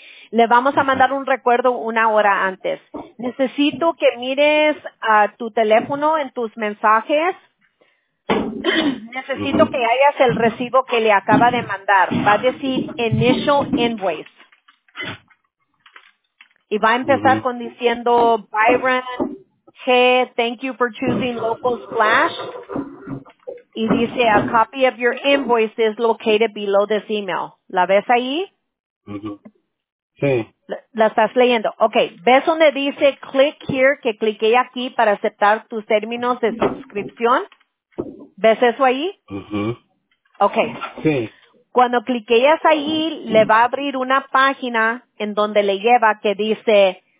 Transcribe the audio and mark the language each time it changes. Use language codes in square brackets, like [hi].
[es] Le vamos a mandar un recuerdo 1 hora antes. Necesito que mires a tu teléfono en tus mensajes. Necesito que hayas el recibo que le acaba de mandar. Va a decir Initial Invoice. Y va a empezar con diciendo Byron... [en] Hey, thank you for choosing Local Splash. [es] Y dice, [en] a copy of your invoice is located below this email. [es] ¿La ves ahí? Sí. La estás leyendo. Okay. ¿Ves donde dice click here, que cliqué aquí para aceptar tus términos de suscripción? ¿Ves eso ahí? Okay. Sí. Cuando cliqueas ahí, le va a abrir una página en donde le lleva que dice...